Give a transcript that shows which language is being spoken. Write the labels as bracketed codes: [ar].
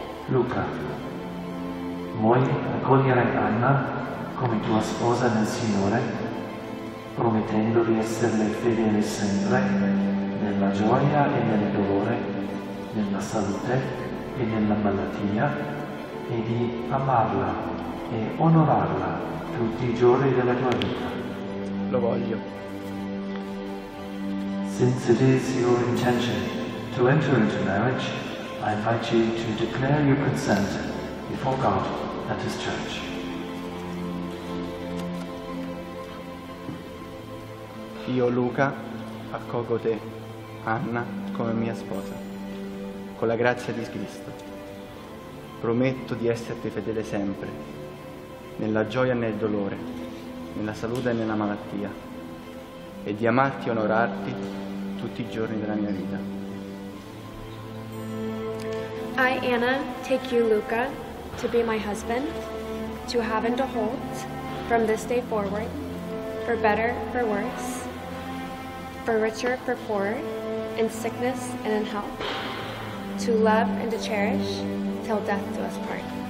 [it] Luca, vuoi accogliere Anna come tua sposa nel Signore, promettendo di esserle fedele sempre, nella gioia e nel dolore, nella salute e nella malattia, e di amarla e onorarla tutti i giorni della tua vita? Lo voglio. [en] Since it is your intention to enter into marriage, I invite you to declare your consent before God at his church. [it] Io, Luca, accolgo te, Anna, come mia sposa, con la grazia di Cristo. Prometto di esserti fedele sempre, nella gioia e nel dolore, nella salute e nella malattia, e di amarti e onorarti tutti i giorni della mia vita. [en] I, Anna, take you, Luca, to be my husband, to have and to hold from this day forward, for better, for worse, for richer, for poorer, in sickness and in health, to love and to cherish till death do us part.